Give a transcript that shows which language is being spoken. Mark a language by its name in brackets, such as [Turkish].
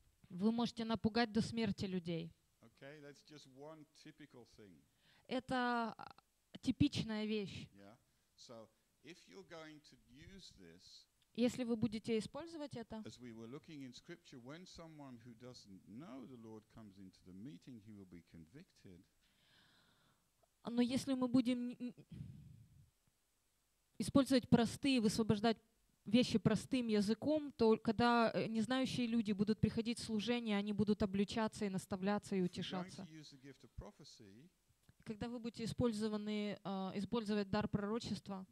[Russian] Вы можете напугать до смерти людей. [English] Okay, that's just one typical thing. [Russian] Это типичная вещь. [English] Yeah. So if you're going to use this, [Russian] если вы будете использовать это, [English] as we were looking in scripture, when someone who doesn't know the Lord comes into the meeting, he will be convicted. [Russian] Но если мы будем использовать простые, высвобождать вещи простым языком, то когда незнающие люди будут приходить в служение, они будут обличаться и наставляться, и утешаться. [English] Prophecy, [Russian] когда вы будете использовать дар пророчества,